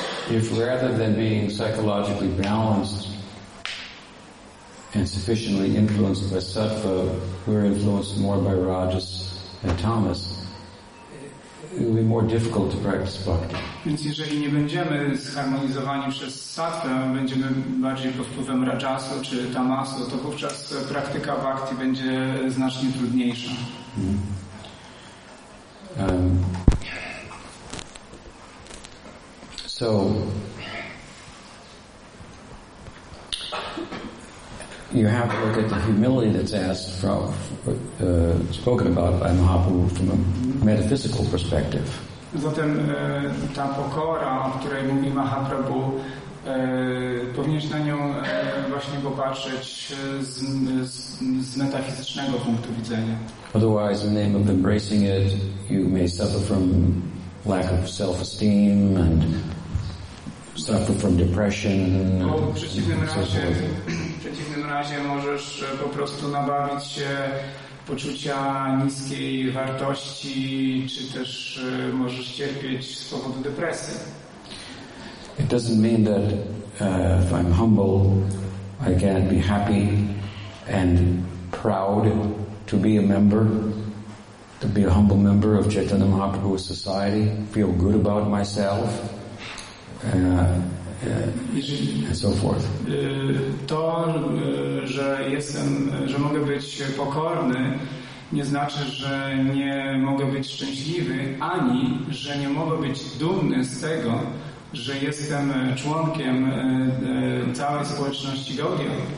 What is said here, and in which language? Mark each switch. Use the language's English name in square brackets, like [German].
[English] If rather than being psychologically balanced and sufficiently influenced by sattva, we're influenced more by rajas and tamas, it will be more difficult to practice bhakti. [Polish] Więc jeżeli nie będziemy zharmonizowani przez sattwę, będziemy bardziej pod wpływem rajasu czy tamasu, to wówczas praktyka bhakti będzie znacznie trudniejsza. [English] So you have to look at the humility that's asked from, spoken about by Mahaprabhu from a metaphysical perspective. [Polish] Zatem ta pokora, o której mówi Mahaprabhu, powinieneś na nią właśnie popatrzeć z metafizycznego punktu widzenia. [English] Otherwise, in the name of embracing it, you may suffer from lack of self-esteem and suffer from depression. [Polish] W przeciwnym razie możesz po prostu nabawić się poczucia niskiej wartości, czy też możesz cierpieć z powodu depresji. [English] It doesn't mean that if I'm humble, I can't be happy and proud to be a member, to be a humble member of Chaitanya Mahaprabhu's society, feel good about myself. And so forth. [Polish] To, że jestem, że mogę być pokorny, nie znaczy, że nie mogę być szczęśliwy, ani że nie mogę być dumny z tego, że jestem członkiem całej społeczności Gaudiya.